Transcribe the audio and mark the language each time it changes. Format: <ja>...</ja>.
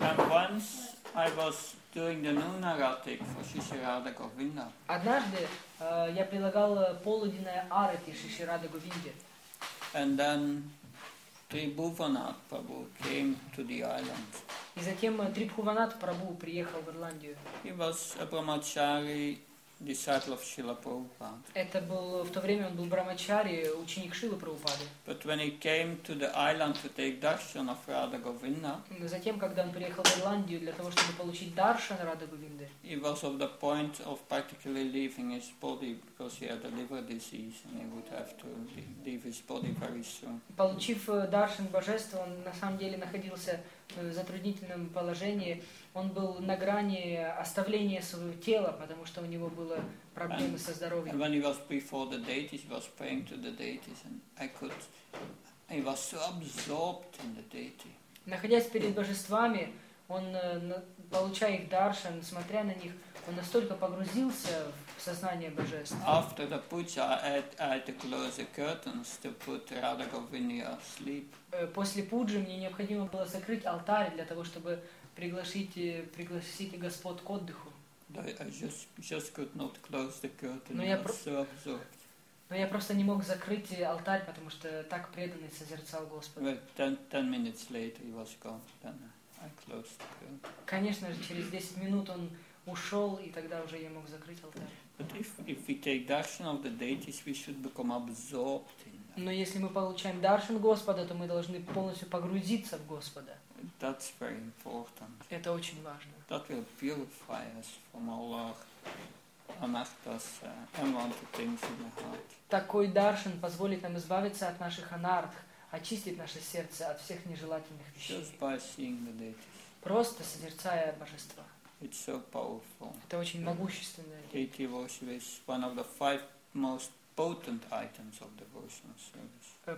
<en>Once I was doing the Nunaratik for Shishirada Govinda.</en> <ru>Однажды я прилагал полуденное арати Шишрада Говинде.</ru> <en>And then Трибхуванат Прабху came to the island.</en> <ru>И затем Трибхуванат Прабху приехал в Ирландию.</ru> <en>He was a Brahmachari. Disciple of Srila Prabhupada.</en> <ru>Это был в то время он был брамачари, ученик Шрилы Прабхупады.</ru> <en>But when he came to the island to take darshan of Radha Govinda.</en> <ru>Затем, когда он приехал в Ирландию для того, чтобы получить даршан Радха Говинды.</ru> <en>He was of the point of practically leaving his body because he had a liver disease and he would have to leave his body very soon.</en> <ru>Получив даршан божества, он на самом деле находился в затруднительном положении. Он был на грани оставления своего тела, потому что у него было проблемы со здоровьем.</ru> <en>And when he was before the deities, he was praying to the deities, and he was so absorbed in the deity.</en> <ru>Находясь перед божествами, он, получая их даршан, смотря на них, он настолько погрузился в сознание божеств.</ru> <en>After the puja, I had to close the curtains to put Radha Govinda asleep.</en> <ru>После пуджи мне необходимо было закрыть алтарь для того, чтобы пригласить господ к отдыху.</ru> <en>I just could not close the curtain.</en> <ru>Но я просто не мог закрыть алтарь, потому что так преданный созерцал Господа.</ru> <en>Ten minutes later he was gone. Then I closed the curtain.</en> <ru>Конечно же, через 10 минут он ушел, и тогда уже я мог закрыть алтарь.</ru> <en>But if we take darshan of the deities, we should become absorbed in them.</en> <ru>Но если мы получаем даршан Господа, то мы должны полностью погрузиться в Господа.</ru> <en>That's very important.</en> <ru>Это очень важно.</ru> <en>That will purify us from all our anarthas, unwanted things in the heart.</en> <ru>Такой даршан позволит нам избавиться от наших анартх, очистить наше сердце от всех нежелательных вещей.</ru> <en>Just by seeing the deities.</en> <ru>Просто созерцая божества.</ru> <en>It's so powerful.</en> <ru>Это очень могущественное.</ru> <en>Deity worship is one of the 5 most potent items of devotional service.</en>